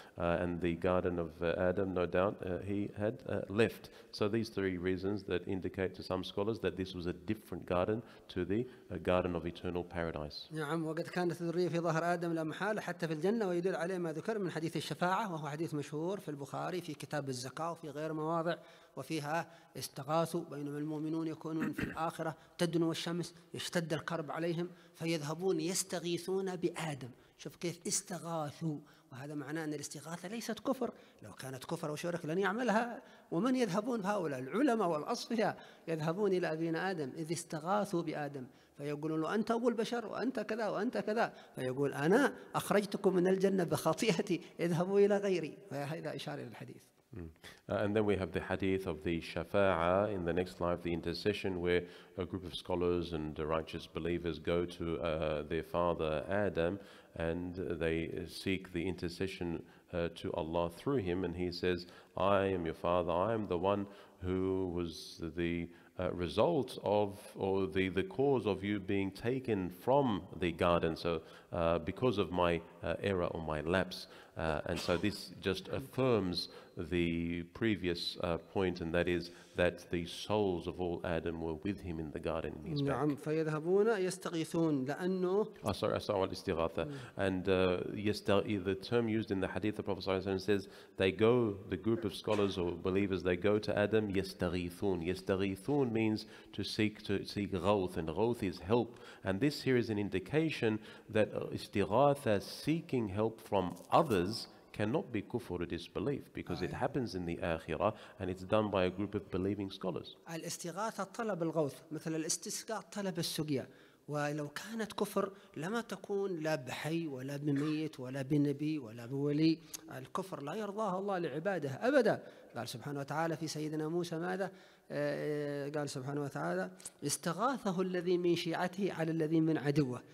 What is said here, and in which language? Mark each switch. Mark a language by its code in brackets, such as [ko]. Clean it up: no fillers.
[en] And the garden of Adam, no doubt, he had left. So these three reasons that indicate to some scholars that this was a different garden to the garden of eternal paradise. [ar] نعم وقد كانت الذرية في ظهر آدم لا محالة حتى في الجنة ويدل عليه ما ذكر من حديث الشفاعة وهو حديث مشهور في البخاري في كتاب الزكاة وفي غير مواضع وفيها استغاثوا بينما المؤمنون يكونون في الآخرة تدنو والشمس يشتد الكرب عليهم فيذهبون يستغيثون بآدم شوف كيف استغاثوا وهذا معناه أن الاستغاثة ليست كفر لو كانت كفر وشرك لن يعملها ومن يذهبون هؤلاء العلماء والأصفياء يذهبون إلى أبينا آدم إذ استغاثوا بآدم فيقولون له أنت أبو البشر وأنت كذا وأنت كذا فيقول أنا أخرجتكم من الجنة بخطيئتي اذهبوا إلى غيري فهذا إشارة للحديث. [en] And then we have the hadith of the shafa'a in the next life, the intercession where a group of scholars and righteous believers go to their father Adam and they seek the intercession to Allah through him, and he says, I am your father, I am the one who was the result of, or the cause of you being taken from the garden, so because of my error or my lapse. And so this just affirms the previous point, and that is that the souls of all Adam were with him in the garden. [ar] نعم فيذهبون يستغيثون لأنه. [en] Sorry, الاستغاثة. And the term used in the hadith of the Prophet صلى الله عليه وسلم says they go, the group of scholars or believers, they go to Adam يستغيثون. يستغيثون means to seek غوث, and غوث is help. And this here is an indication that استغاثة, seeking help from others, cannot be kufr or disbelief because it happens in the akhirah and it's done by a group of believing scholars. [ar] الاستغاثة طلب الغوث مثل الاستسقاء طلب السقيا. ولو كانت كفر لما تكون لا بحي ولا بميت ولا بنبي ولا بولي. الكفر لا يرضاه الله لعباده أبدا. قال سبحانه وتعالى في سيدنا موسى ماذا قال سبحانه وتعالى استغاثه الذي من شيعته على الذي من عدوه.